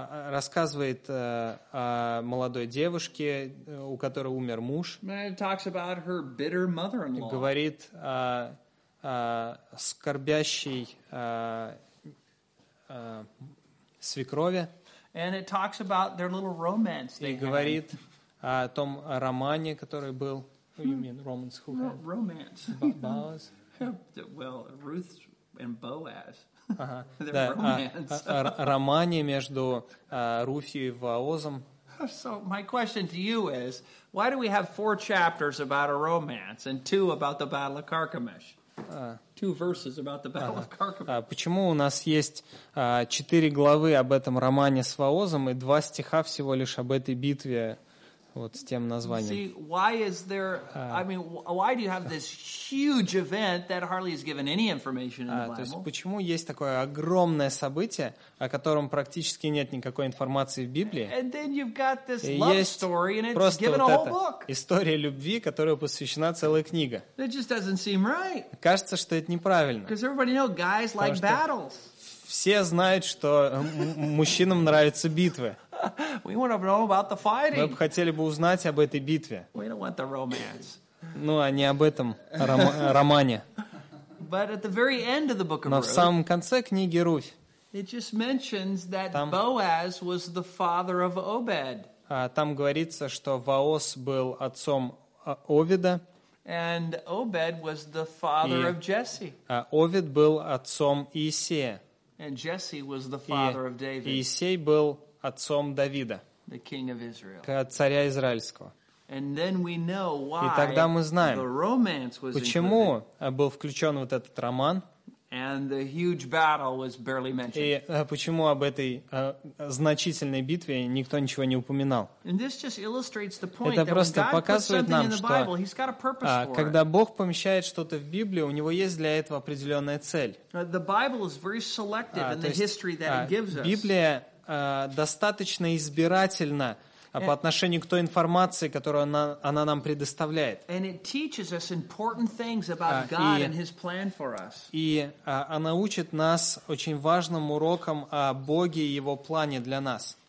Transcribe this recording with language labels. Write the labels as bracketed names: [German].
[Russian] Рассказывает молодой девушке, у которой умер муж. [English] And it talks about her bitter mother-in-law. [Russian] Говорит о скорбящей свекрови. [English] And it talks about their little romance. They [Russian] и говорит о том романе, который был. [English] Who you mean, Romans? Who had? Romance. Boaz. Well, Ruth and Boaz. [Russian] Ага. [English] Their [Russian] да, [English] romance. [Russian] Романе между Руфью и Боазом. [English] So my question to you is, why do we have four chapters about a romance and two about the Battle of Carchemish? Two verses about the Battle of Carchemish. [Russian] Почему у нас есть четыре главы об этом романе с Воозом и два стиха всего лишь об этой битве вот с тем названием? [English] See, why is there? I mean, why do you have this huge event that hardly is given any information in the Bible? [Russian] То есть почему есть такое огромное событие, о котором практически нет никакой информации в Библии? [English] And then you've got this love story, and it's given [Russian] вот [English] a whole book. [Russian] История любви, которой посвящена целая книга. [English] It just doesn't seem right. [Russian] Кажется, что это неправильно. [English] Because everybody knows guys like battles. [Russian] Все знают, что мужчинам нравятся битвы. [English] We want to know about the fighting. [Russian] Мы бы хотели бы узнать об этой битве. [English] We don't want the romance. [Russian] Ну, а не об этом романе. [English] But at the very end of the book of [Russian] Но в самом конце книги Руфь. [English] It just mentions that там, Boaz was the father of Obed. [Russian] Там говорится, что Воос был отцом Овида. [English] And Obed was the father of Jesse. [Russian] Овид был отцом Иессея. [English] And Jesse was the father of David. [Russian] Иессей был отцом Давида, [English] the king of Israel. [Russian] Царя израильского. [English] And then we know why. [Russian] И тогда мы знаем, [English] the romance was [Russian] почему [English] included. [Russian] Был включен вот этот роман. [English] And the huge battle was barely mentioned. [Russian] И почему об этой значительной битве никто ничего не упоминал. [English] And this just illustrates the point [Russian] это просто [English] that [Russian] показывает нам, что [English] Bible, [Russian] когда Бог помещает что-то в Библию, у Него есть для этого определенная цель. [English] The Bible is very selective in the history that it gives us. [Russian] Библия достаточно избирательно по отношению к той информации, которую она нам предоставляет. [English] And it teaches us important things about God and His plan for us. [Russian] И она учит нас очень важным урокам о Боге и Его плане для нас.